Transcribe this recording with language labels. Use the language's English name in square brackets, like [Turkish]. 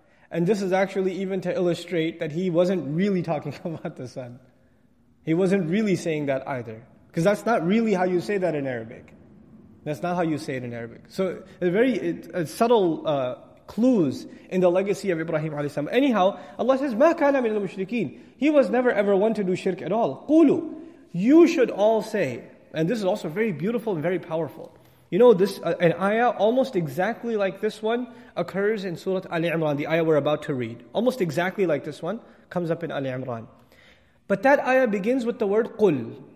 [English] And this is actually even to illustrate that he wasn't really talking about the sun. He wasn't really saying that either. Because that's not really how you say that in Arabic. That's not how you say it in Arabic. So it's a subtle clues in the legacy of Ibrahim alayhi salam. Anyhow, Allah says, [Arabic] مَا كَانَ مِنَ الْمُشْرِكِينَ. [English] He was never ever one to do shirk at all. [Arabic] قُولُوا. [English] You should all say, and this is also very beautiful and very powerful. You know, this an ayah almost exactly like this one occurs in Surah Ali Imran, the ayah we're about to read. Almost exactly like this one comes up in Ali Imran. But that ayah begins with the word قُل.